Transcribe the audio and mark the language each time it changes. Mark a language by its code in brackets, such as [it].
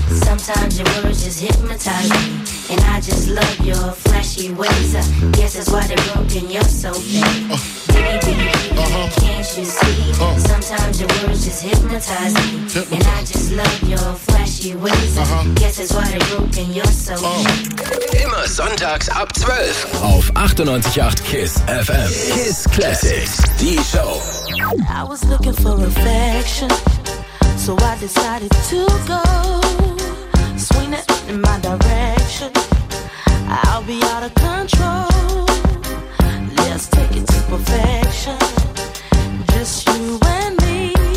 [en] Sometimes your words just hypnotize me, and I just love your flashy ways. Guess that's why they're broken, you're so vain. Biggie, Biggie, Biggie, can't you see? Sometimes your words just hypnotize me, and I just love your flashy ways. Guess that's why they're broken, you're so vain. [de] Immer sonntags ab 12 auf 98.8 KISS FM. KISS Classics, die Show. [en] I was looking for affection, so I decided to go. Swing it in my direction, I'll be out of control. Let's take it to perfection, just you and me.